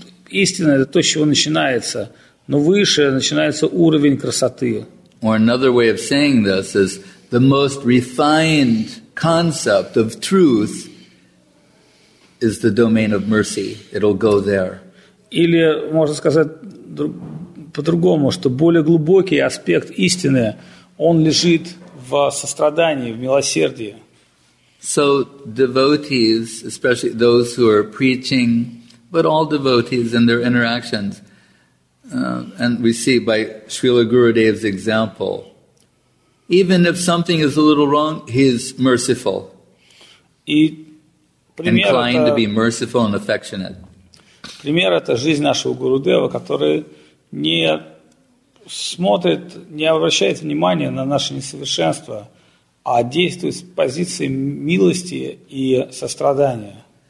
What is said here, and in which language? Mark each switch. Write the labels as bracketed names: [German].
[Russian] истина – это то, с чего начинается. Но выше начинается уровень красоты. [English] Or another way of saying this is the most refined concept of truth is the domain of mercy. It'll go there. [Russian] Или можно сказать по-другому, что более глубокий аспект истины, он лежит в сострадании, в милосердии. [English] So devotees, especially those who are preaching, but all devotees in their interactions, and we see by Srila Gurudev's example, even if something is a little wrong, he is merciful. [Russian] И пример [English] inclined [Russian] это, [English] to be merciful and affectionate. [Russian] Пример – это жизнь нашего Гурудева, который не смотрит, не обращает внимания на наши несовершенства, а действует с позиции милости и сострадания.